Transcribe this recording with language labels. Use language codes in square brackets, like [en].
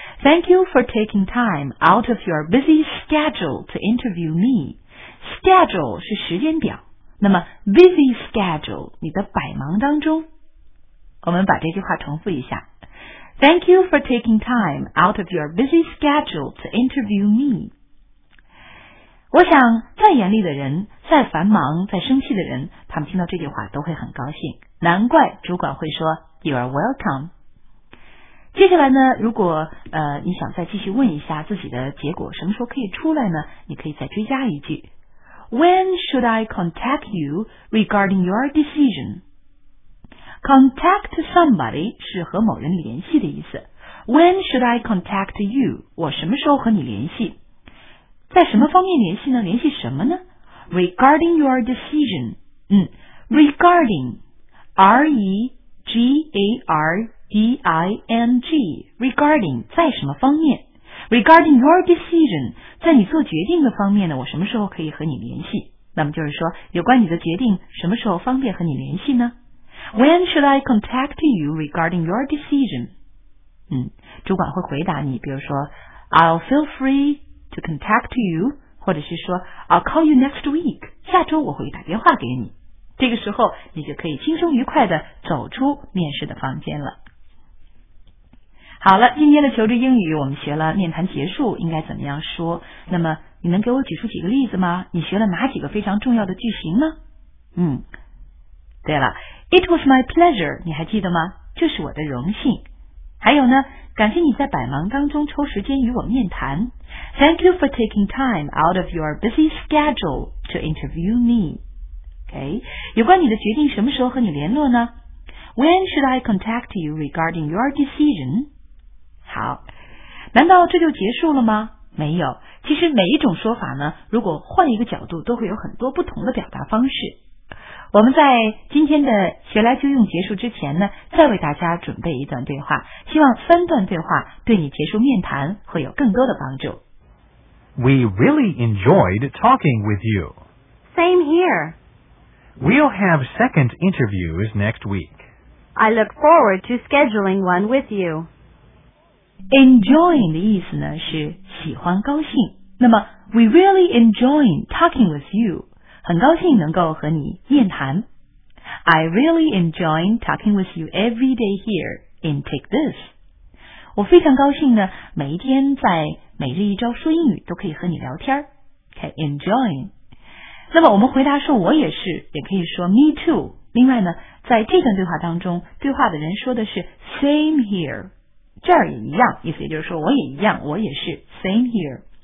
[en] Thank you for taking time out of your busy schedule to interview me. [zh] Schedule 是时间表，那么 busy schedule 你的百忙当中。我们把这句话重复一下， [en] Thank you for taking time out of your busy schedule to interview me. [zh] 我想再严厉的人，再繁忙，再生气的人，他们听到这句话都会很高兴。难怪主管会说 [en] You are welcome. [zh] 接下来呢，如果你想再继续问一下自己的结果什么时候可以出来呢，你可以再追加一句 [en] When should I contact you regarding your decision? [zh] Contact somebody 是和某人联系的意思。 [en] When should I contact you? [zh] 我什么时候和你联系？在什么方面联系呢？联系什么呢？ [en] Regarding your decision. Regarding. R-E-G-A-R-D-I-N-G. Regarding. [zh] 在什么方面？ [en] Regarding your decision. [zh] 在你做决定的方面呢，我什么时候可以和你联系？那么就是说，有关你的决定，什么时候方便和你联系呢？ [en] When should I contact you regarding your decision? [zh] 主管会回答你，比如说 [en] I'll feel free to contact you, [zh] 或者是说 [en] I'll call you next week, [zh] 下周我会打电话给你。这个时候你就可以轻松愉快地走出面试的房间了。好了，今天的求职英语我们学了面谈结束应该怎么样说，那么你能给我举出几个例子吗？你学了哪几个非常重要的句型呢？对了， [en] It was my pleasure, [zh] 你还记得吗？这是我的荣幸。还有呢，感谢你在百忙当中抽时间与我面谈。 [en] Thank you for taking time out of your busy schedule to interview me. [zh] Okay, 有关你的决定什么时候和你联络呢？ [en] When should I contact you regarding your decision? [zh] 好，难道这就结束了吗？没有，其实每一种说法呢，如果换一个角度，都会有很多不同的表达方式。我们在今天的学来就用结束之前呢，再为大家准备一段对话，希望三段对话对你结束面谈会有更多的帮助。 [en] We really enjoyed talking with you. Same here. We'll have second interviews next week. I look forward to scheduling one with you. [zh] Enjoying 的意思呢是喜欢高兴，那么 [en] We really enjoyed talking with you. [zh] 很高兴能够和你面谈。 [en] I really enjoy talking with you every day here in Take This. [zh] 我非常高兴呢，每一天在每日一招说英语都可以和你聊天。 Okay, enjoy. 那么我们回答说我也是，也可以说 me too. 另外呢，在这段对话当中，对话的人说的是 same here. 这儿也一样，意思也就是说我也一样，我也是 [en] same here。